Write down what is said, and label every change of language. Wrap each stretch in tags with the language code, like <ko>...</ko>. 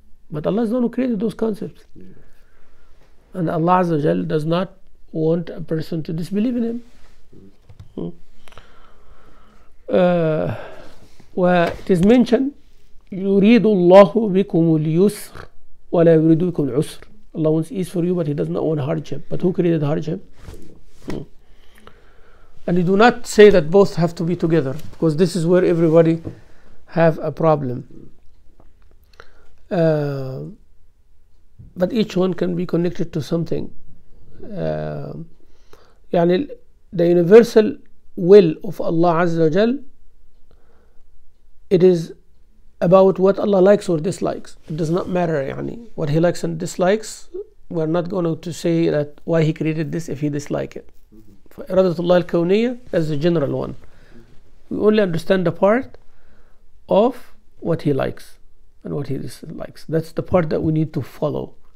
<en>But Allah is the one who created those concepts. Yeah. And Allah Azza wa Jal does not want a person to disbelieve in Him. Where it is mentioned,</en> <ar>يريد الله بكم اليسر ولا يريد بكم العسر.</ar> <en>Allah wants ease for you, but He does not want hardship. But who created hardship? And you do not say that both have to be together, because this is where everybody have a problem. But each one can be connected to something.</en> <ar>يعني</ar> <en>the universal will of Allah Azza wa Jal, it is about what Allah likes or dislikes. It does not matter</en> <ar>يعني</ar> <en>what He likes and dislikes. We're not going to say that why He created this if He dislike it.</en> <ar>إرادة الله الكونية</ar> <en>is the general one. We only understand the part of what He likes and what He dislikes. That's the part that we need to follow.</en>